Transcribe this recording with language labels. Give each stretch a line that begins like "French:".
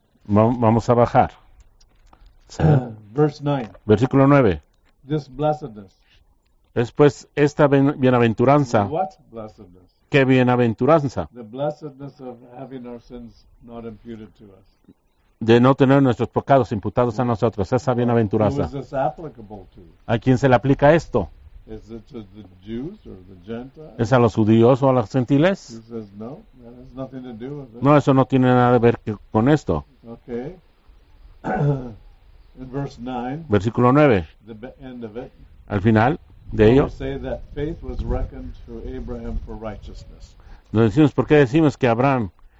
Spanish: Vamos a bajar.
English: Verse 9.
Spanish: Versículo 9.
English: This blessedness.
Spanish: Es pues esta bienaventuranza.
English: What blessedness?
Spanish: ¡Qué bienaventuranza!
English: The blessedness of having our sins not imputed to us.
Spanish: De no tener nuestros pecados imputados a nosotros. Esa bienaventuranza.
English: Who is this applicable to?
Spanish: ¿A quién se le aplica esto?
English: Is it to the Jews or the Gentiles?
Spanish: ¿Es a los judíos o a los gentiles?
English: He says, no, that has nothing to do with it.
Spanish: No, eso no tiene nada que ver con esto.
English: Okay. In verse 9,
Spanish: versículo 9.
English: The end of it.
Spanish: Al final. De ello. Nos decimos, ¿por qué decimos que Abraham